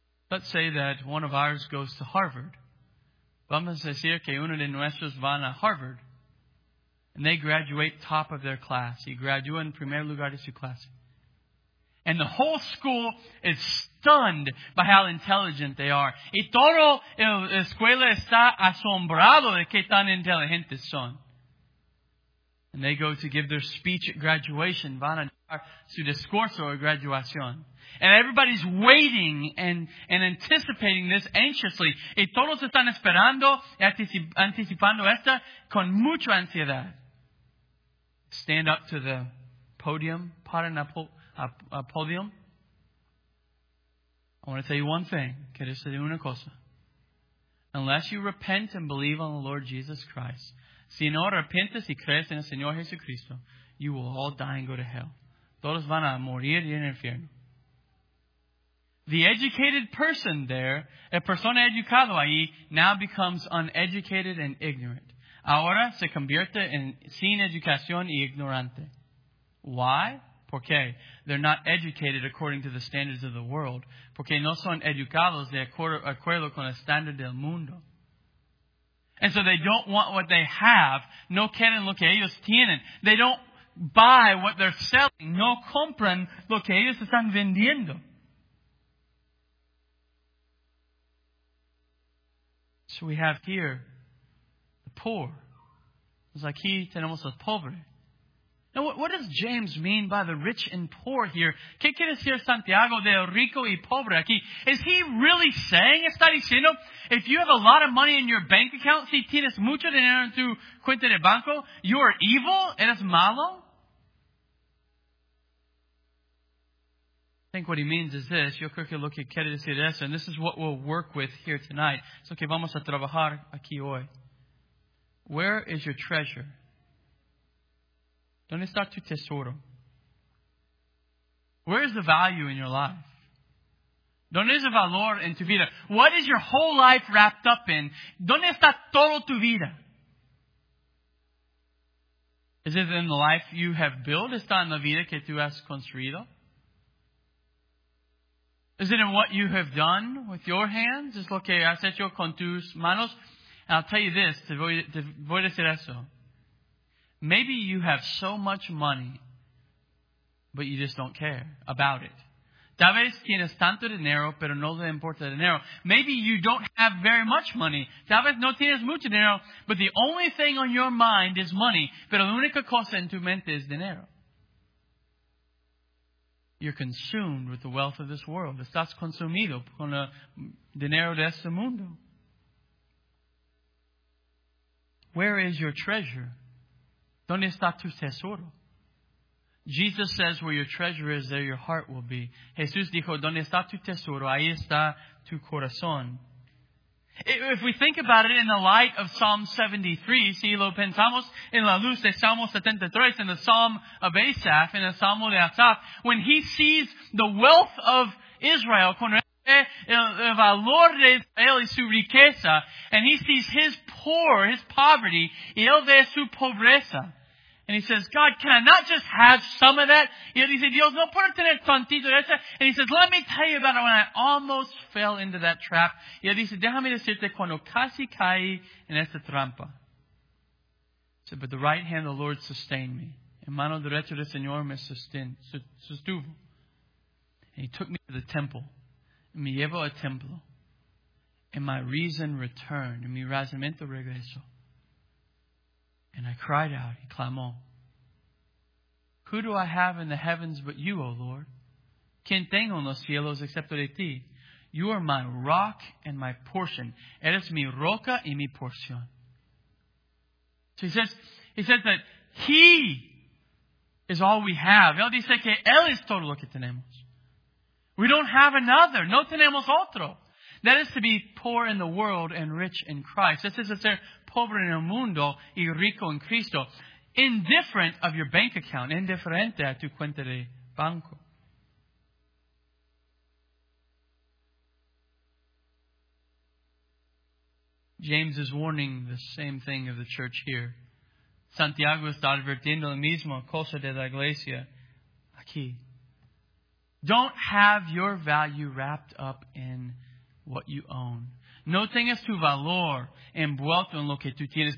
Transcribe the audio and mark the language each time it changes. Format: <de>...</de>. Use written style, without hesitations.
<en>Let's say that one of ours goes to Harvard.</en> <es>Vamos a decir que uno de nuestros van a Harvard.</es> <en>And they graduate top of their class.</en> <es>Y graduan en primer lugar de su clase.</es> <en>And the whole school is stunned by how intelligent they are.</en> <es>Y toda la escuela está asombrado de qué tan inteligentes son.</es> <en>And they go to give their speech at graduation.</en> <es>Van a dar su discurso a graduación.</es> <en>And everybody's waiting and anticipating this anxiously.</en> <es>Y todos están esperando y anticipando esta con mucha ansiedad.</es> <en>Stand up to the podium.</en> <es>Paran a podium.</es> <en>I want to tell you one thing.</en> <es>Quiero decir una cosa.</es> <en>Unless you repent and believe on the Lord Jesus Christ,</en> <es>si no arrepientes y crees en el Señor Jesucristo,</es> <en>you will all die and go to hell.</en> <es>Todos van a morir y en el infierno.</es> <en>The educated person there,</en> <es>a persona educado ahí,</es> <en>now becomes uneducated and ignorant.</en> <es>Ahora se convierte en sin educación y ignorante.</es> <en>Why?</en> <es>Porque</es> <en>they're not educated according to the standards of the world.</en> <es>Porque no son educados de acuerdo con el estándar del mundo.</es> <en>And so they don't want what they have.</en> <es>No quieren lo que ellos tienen.</es> <en>They don't buy what they're selling.</en> <es>No compran lo que ellos están vendiendo.</es> <en>So we have here the poor. It's like</en> <es>aquí tenemos los pobres.</es> <en>Now, what does James mean by the rich and poor here?</en> <es>¿Qué quiere decir Santiago de rico y pobre aquí?</es> <en>Is he really saying,</en> <es>está diciendo,</es> <en>if you have a lot of money in your bank account,</en> <es>si tienes mucho dinero en tu cuenta de banco,</es> <en>you are evil,</en> <es>eres malo?</es> <en>I think what he means is this.</en> <es>Yo creo que lo que quiere decir es,</es> <en>and this is what we'll work with here tonight.</en> <es>So que vamos a trabajar aquí hoy.</es> <en>Where is your treasure?</en> <es>¿Dónde está tu tesoro?</es> <en>Where is the value in your life?</en> <es>¿Dónde es el valor en tu vida?</es> <en>What is your whole life wrapped up in?</en> <es>¿Dónde está todo tu vida?</es> <en>Is it in the life you have built?</en> <es>¿Está en la vida que tú has construido?</es> <en>Is it in what you have done with your hands?</en> <es>Es lo que has hecho con tus manos.</es> <en>And I'll tell you this,</en> <es>te voy a decir eso.</es> <en>Maybe you have so much money, but you just don't care about it.</en> <es>Tal vez tienes tanto dinero, pero no le importa el dinero.</es> <en>Maybe you don't have very much money.</en> <es>Tal vez no tienes mucho dinero,</es> <en>but the only thing on your mind is money.</en> <es>Pero la única cosa en tu mente es dinero.</es> <en>You're consumed with the wealth of this world.</en> <es>Estás consumido con el dinero de este mundo.</es> <en>Where is your treasure?</en> <es>¿Dónde está tu tesoro?</es> <en>Jesus says, where your treasure is, there your heart will be.</en> <es>Jesús dijo, ¿dónde está tu tesoro? Ahí está tu corazón.</es> <en>If we think about it in the light of Psalm 73,</en> <es>si lo pensamos en la luz de Salmo 73,</es> <en>in the Psalm of Asaph, in the Salmo de Asaph, when he sees the wealth of Israel,</en> <es>con el valor de Israel y su riqueza,</es> <en>and he sees his poverty,</en> <es>y él ve su pobreza.</es> <en>And he says, God, can I not just have some of that?</en> <es>Y él dice, Dios, no puedo tener tantito de eso.</es> <en>And he says, let me tell you about it when I almost fell into that trap.</en> <es>Y él dice, déjame decirte cuando casi caí en esta trampa.</es> <en>He said, but the right hand of the Lord sustained me.</en> <es>En mano derecha del Señor me sostuvo.</es> <en>And he took me to the temple.</en> <es>Y me llevó al templo.</es> <en>And my reason returned.</en> <es>Y mi razonamiento regresó.</es> <en>And I cried out,</en> <es>he clamó,</es> <en>who do I have in the heavens but you, O Lord?</en> <es>¿Quién tengo en los cielos excepto de ti?</es> <en>You are my rock and my portion.</en> <es>Eres mi roca y mi porción.</es> <en>So he says that he is all we have.</en> <es>Él dice que él es todo lo que tenemos.</es> <en>We don't have another.</en> <es>No tenemos otro.</es> <en>That is to be poor in the world and rich in Christ. That is to say,</en> <es>pobre en el mundo y rico en Cristo.</es> <en>Indifferent of your bank account.</en> <es>Indiferente a tu cuenta de banco.</es> <en>James is warning the same thing of the church here.</en> <es>Santiago está advirtiendo la misma cosa de la iglesia aquí.</es> <en>Don't have your value wrapped up in what you own.</en> <es>No tengas tu valor envuelto en lo que tú tienes.</es>